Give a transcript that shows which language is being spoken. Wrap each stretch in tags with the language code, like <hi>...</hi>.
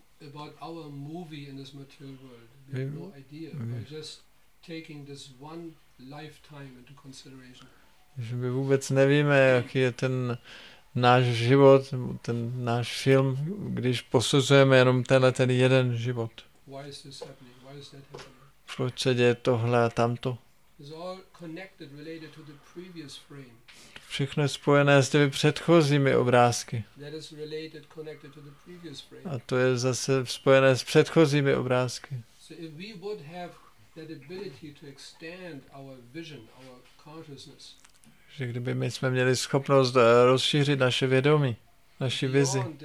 <en>About our movie in this material world, we have no idea. We're just taking this one lifetime into consideration.</en> <cs>Že my vůbec nevíme, jaký je ten náš život, ten náš film, když posuzujeme jenom tenhle ten jeden život.</cs> <en>Why is this happening? Why is that happening?</en> <cs>Proč se děje tohle a tamto?</cs> <en>is all connected, related to the previous frame.</en> <cs>Všechno je spojené s těmi předchozími obrázky.</cs> <en>That is related, connected to the previous frame.</en> <cs>A to je zase spojené s předchozími obrázky.</cs> <en>So if we would have that ability to extend our vision, our consciousness.</en> <cs>Že kdyby my jsme měli schopnost rozšířit naše vědomí, naši vizi.</cs>